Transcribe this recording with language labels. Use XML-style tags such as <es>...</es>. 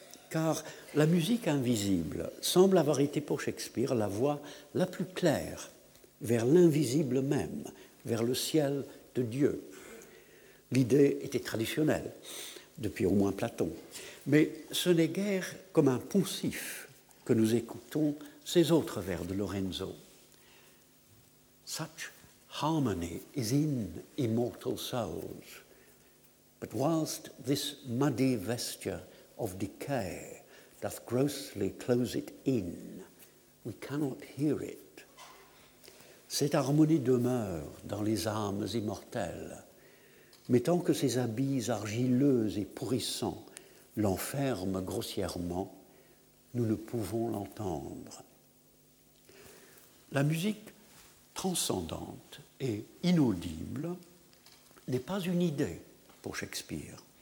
<fr>car la musique invisible semble avoir été pour Shakespeare la voie la plus claire vers l'invisible même, vers le ciel de Dieu. L'idée était traditionnelle, depuis au moins Platon. Mais ce n'est guère comme un poncif que nous écoutons ces autres vers de Lorenzo.</fr> <en>Such harmony is in immortal souls. But whilst this muddy vesture of decay doth grossly close it in, we cannot hear it.</en> <fr>Cette harmonie demeure dans les âmes immortelles, mais tant que ces habits argileux et pourrissants l'enferment grossièrement, nous ne pouvons l'entendre. La musique transcendante et inaudible n'est pas une idée pour Shakespeare.</fr>